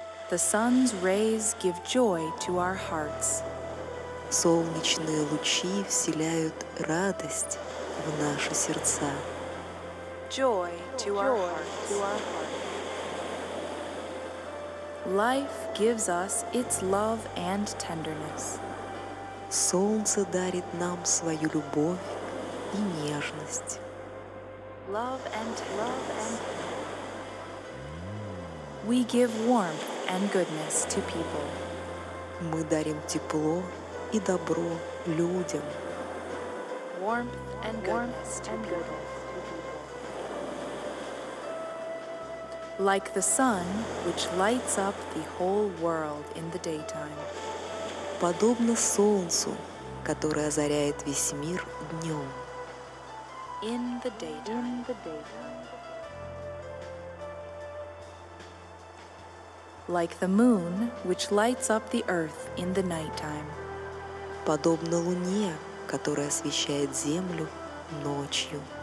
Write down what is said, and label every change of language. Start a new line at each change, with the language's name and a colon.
English: The sun's rays give joy to our hearts.
Russian: Солнечные лучи вселяют радость в наши сердца.
English: Joy to joy our hearts. To our hearts. Life gives us its love and tenderness.
Russian: Солнце дарит нам свою любовь и нежность.
English: Love and tenderness. We give warmth and goodness to people.
Russian: Мы дарим тепло и добро людям.
English: Warmth and goodness to people. Like the sun, which lights up the whole world in the daytime.
Russian: Подобно солнцу, которое озаряет весь мир днем.
English: In the daytime. In the daytime. Like the moon, which lights up the earth in the nighttime.
Russian: Подобно луне, которая освещает землю ночью.